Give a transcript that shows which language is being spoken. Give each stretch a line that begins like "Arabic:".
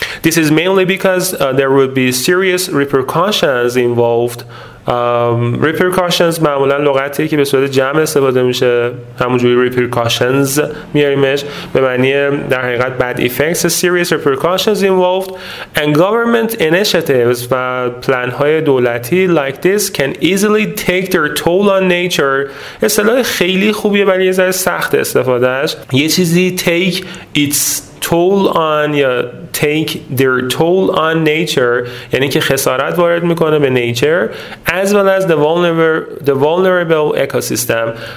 English: This is mainly because there will be serious repercussions involved.
Persian: Repercussions معمولا لغتیه که به صورت جمع استفاده میشه، همونجوری repercussions میاریمش به معنی در حقیقت
English: bad effects. Serious repercussions involved and government initiatives
Persian: و پلانهای دولتی
English: like this can easily take their toll on nature.
Persian: اصطلاح خیلی خوبیه ولی یه ذره سخت استفادهش. یه چیزی
English: take its toll on یا take their toll on nature،
Persian: یعنی که خسارت وارد میکنه به
English: nature as well as the vulnerable ecosystem.